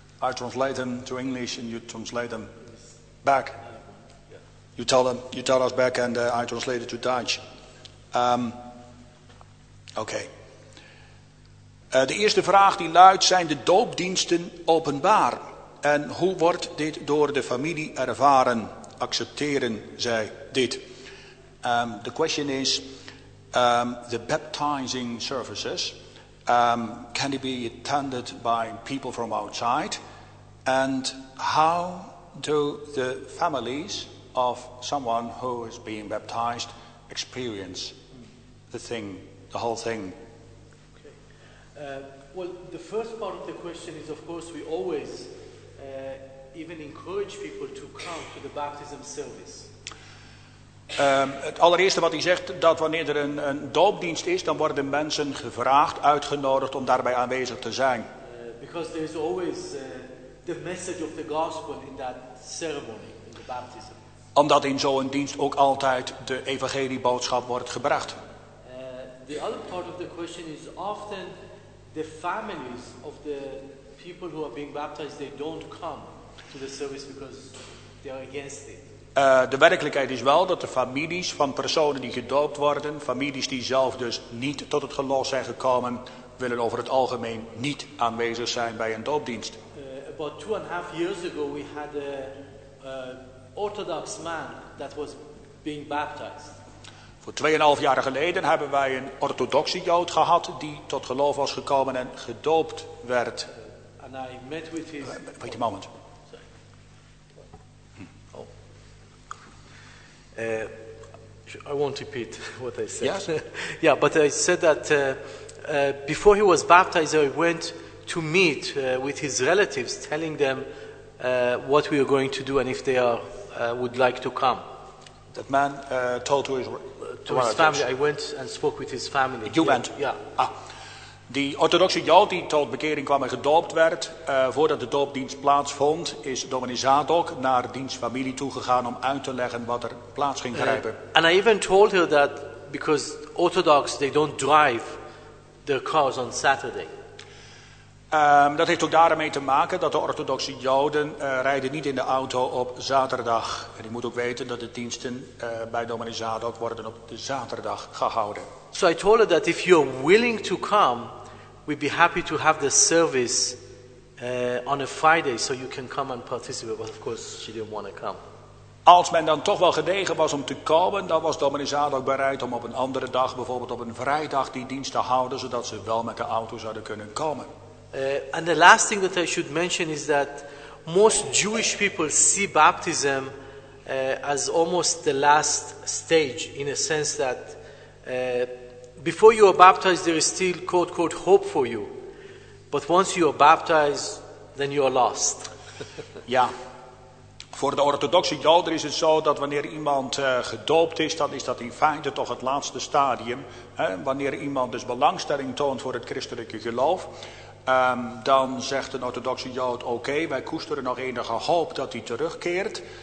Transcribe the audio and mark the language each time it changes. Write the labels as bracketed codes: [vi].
[en] I translate them to English and you translate them back. You tell us back and I translate it to Dutch. Okay. [nl] De eerste vraag die luidt, zijn de doopdiensten openbaar? En hoe wordt dit door de familie ervaren? Accepteren zij dit? [en] The question is, the baptizing services, can they be attended by people from outside? And how do the families of someone who is being baptized experience the thing, the whole thing? Okay. Well, the first part of the question is, of course, we always even encourage people to come to the baptism service. [nl] Het allereerste wat hij zegt, dat wanneer er een doopdienst is, dan worden mensen gevraagd, uitgenodigd om daarbij aanwezig te zijn. [en] Because there is always the message of the gospel in that ceremony, in the baptism. [nl] Omdat in zo'n dienst ook altijd de evangelieboodschap wordt gebracht. [en] The other part of the question is often the families of the people who are being baptized, they don't come to the service because they are against it. [nl] De werkelijkheid is wel dat de families van personen die gedoopt worden, families die zelf dus niet tot het geloof zijn gekomen, willen over het algemeen niet aanwezig zijn bij een doopdienst. [en] About 2.5 years ago we had a orthodox man that was being baptized. [nl] Voor 2.5 jaar geleden hebben wij een orthodoxe Jood gehad die tot geloof was gekomen en gedoopt werd. [en] And I met with his... Wait a moment. I won't repeat what I said. Yes. Yeah, but I said that before he was baptized, I went to meet with his relatives, telling them what we are going to do and if they are would like to come. That man told to his family. I went and spoke with his family. You went? Yeah. Ah. [nl] Die orthodoxe Jood die tot bekering kwam en gedoopt werd, voordat de doopdienst plaatsvond, is dominee Zadok naar diens familie toegegaan om uit te leggen wat er plaats ging grijpen. [en] And I even told her that because Orthodox they don't drive their cars on Saturday. [nl] Dat heeft ook daarmee te maken dat de orthodoxe Joden rijden niet in de auto op zaterdag. En je moet ook weten dat de diensten bij dominee Zadok worden op de zaterdag gehouden. [en] So I told her that if you're willing to come, we'd be happy to have the service on a Friday, so you can come and participate. But of course, she didn't want to come. [nl] Als men dan toch wel gedegen was om te komen, dan was dominee Zadok bereid om op een andere dag, bijvoorbeeld op een vrijdag, die dienst te houden, zodat ze wel met de auto zouden kunnen komen. [en] And the last thing that I should mention is that most Jewish people see baptism as almost the last stage, in a sense that before you are baptized, there is still, quote, quote, hope for you. But once you are baptized, then you are lost. [nl] Ja. Voor de orthodoxe Joden is het zo dat wanneer iemand gedoopt is, dan is dat in feite toch het laatste stadium. Hè? Wanneer iemand dus belangstelling toont voor het christelijke geloof, dan zegt een orthodoxe Jood, oké, wij koesteren nog enige hoop dat hij terugkeert.